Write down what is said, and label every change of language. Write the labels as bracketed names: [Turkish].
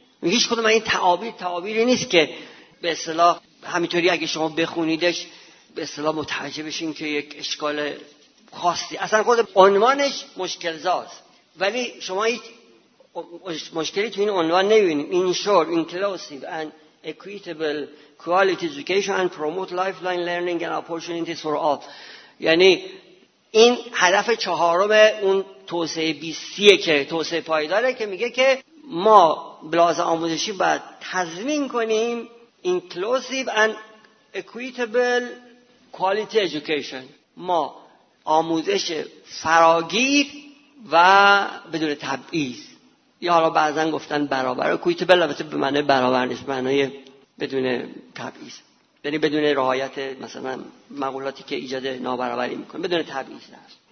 [Persian] هیچ کدوم این تعابیری نیست که به اصطلاح همینطوری اگه شما بخونیدش به اصطلاح متوجه بشین که یک اشکال خاصی، اصلا خود عنوانش مشکل زاست، ولی شما هیچ مشکلی تو این عنوان نمیبینید. [English] Ensure inclusive and equitable quality education and promote lifelong learning and opportunities for all. [Persian] یعنی این هدف چهارم اون توسعه 20 که توسعه پایداره، که میگه که ما بلاز آموزشی باید تضمین کنیم [English] inclusive and equitable quality education، [Persian] ما آموزش فراگیر و بدون تبعیض، یا حالا بعضا گفتن برابر equitable، البته به معنی برابر نیست، معنی بدون تبعیض، یعنی بدون رعایت مثلا مقولاتی که ایجاد نابرابری میکنه، بدون تبعیض هست.